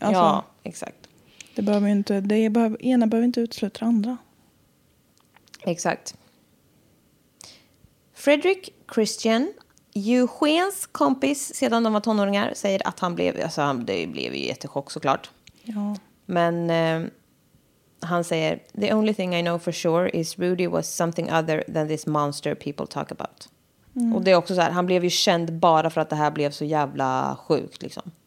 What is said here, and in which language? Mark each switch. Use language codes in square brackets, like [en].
[sv] Alltså, ja, exakt. Det behöver ju inte, det behöver, ena behöver inte utesluta det andra. Exakt. Fredrik Christian, Eugens kompis sedan de var tonåringar, säger att han blev, alltså han, det blev ju jättechock såklart. Ja. Men han säger, [en] the only thing I know for sure is Rudy was something other than this monster people talk about. Mm. Mm. [sv] Och det är också så här, han blev ju känd bara för att det här blev så jävla sjukt liksom.